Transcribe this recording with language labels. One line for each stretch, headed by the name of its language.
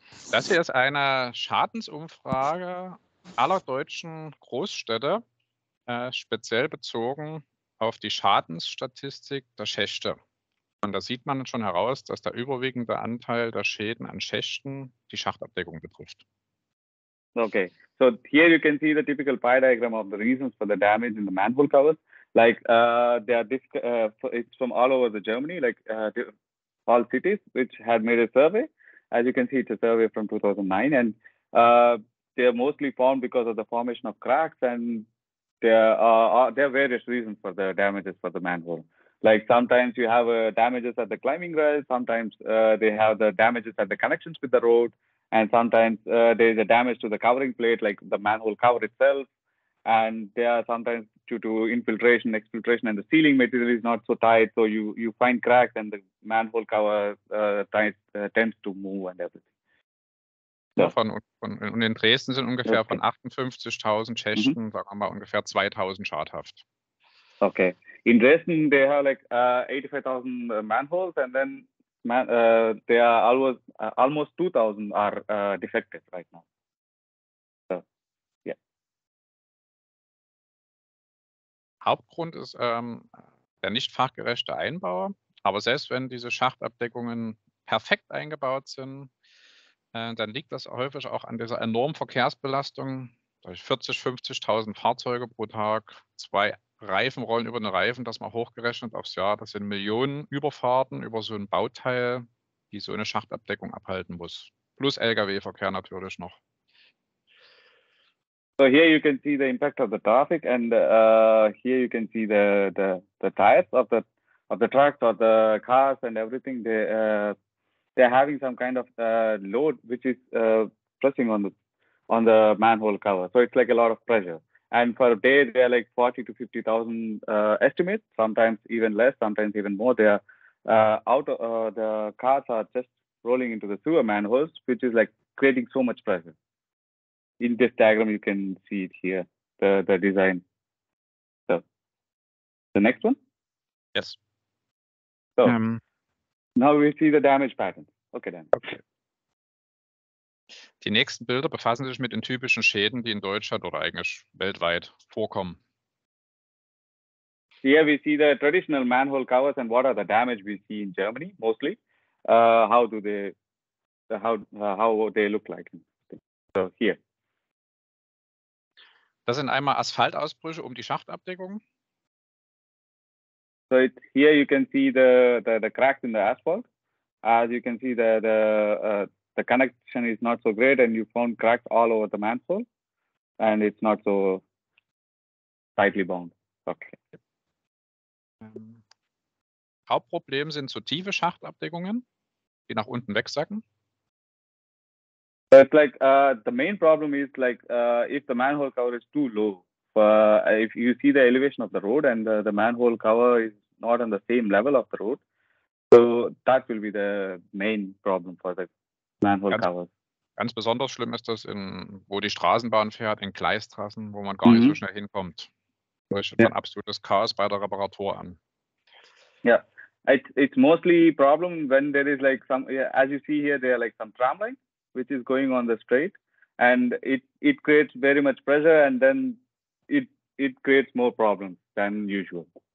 German: Das hier ist eine Schadensumfrage aller deutschen Großstädte, speziell bezogen auf die Schadensstatistik der Schächte. Und da sieht man schon heraus, dass der überwiegende Anteil der Schäden an Schächten die Schachtabdeckung betrifft.
English: Okay, so here you can see the typical pie diagram of the reasons for the damage in the manhole covers. Like, it's from all over the Germany, like all cities which had made a survey. As you can see, it's a survey from 2009, and they are mostly found because of the formation of cracks, and there are various reasons for the damages for the manhole. Like sometimes you have damages at the climbing rail, sometimes they have the damages at the connections with the road, and sometimes there is a damage to the covering plate, like the manhole cover itself, and they are sometimes due to infiltration, exfiltration, and the sealing material is not so tight, so you find cracks and the manhole cover tends to move and everything. So.
German: Und in Dresden sind ungefähr von 58.000 Tschechen, sagen wir mal, ungefähr 2.000 schadhaft.
English: Okay. In Dresden, they have like 85.000 manholes, and then they are almost 2.000 are defective right now.
German: Hauptgrund ist der nicht fachgerechte Einbau. Aber selbst wenn diese Schachtabdeckungen perfekt eingebaut sind, dann liegt das häufig auch an dieser enormen Verkehrsbelastung. Durch 40.000, 50.000 Fahrzeuge pro Tag, zwei Reifen rollen über den Reifen, das mal hochgerechnet aufs Jahr. Das sind Millionen Überfahrten über so ein Bauteil, die so eine Schachtabdeckung abhalten muss. Plus Lkw-Verkehr natürlich noch.
English: So here you can see the impact of the traffic, and here you can see the tires of the trucks or the cars and everything. They're having some kind of load which is pressing on the manhole cover. So it's like a lot of pressure. And for a day, they're like 40 to 50,000 estimates. Sometimes even less. Sometimes even more. They are the cars are just rolling into the sewer manholes, which is like creating so much pressure. In this diagram, you can see it here, the design. So, the next one? Yes. So, now we see the damage pattern. Okay, then. Okay.
German: Die nächsten Bilder befassen sich mit den typischen Schäden, die in Deutschland oder eigentlich weltweit vorkommen.
English: here we see the traditional manhole covers and what are the damage we see in Germany mostly. How do they look like? So here.
German: Das sind einmal Asphaltausbrüche um die Schachtabdeckung.
English: So it, here you can see the cracks in the asphalt. As you can see, the connection is not so great, and you found cracks all over the manhole, and it's not so tightly bound. Okay.
German: Hauptproblem sind so tiefe Schachtabdeckungen, die nach unten wegsacken.
English: So it's like the main problem is like if the manhole cover is too low. If you see the elevation of the road and the manhole cover is not on the same level of the road, so that will be the main problem for the manhole cover.
German: Ganz besonders schlimm ist das, in wo die Straßenbahn fährt, in Gleisstraßen, wo man gar nicht so schnell hinkommt. Da ist ein absolutes Chaos bei der Reparatur an.
English: Yeah, it's mostly problem when there is like some, yeah, as you see here, there are like some tramline which is going on the straight, and it creates very much pressure, and then it creates more problems than usual.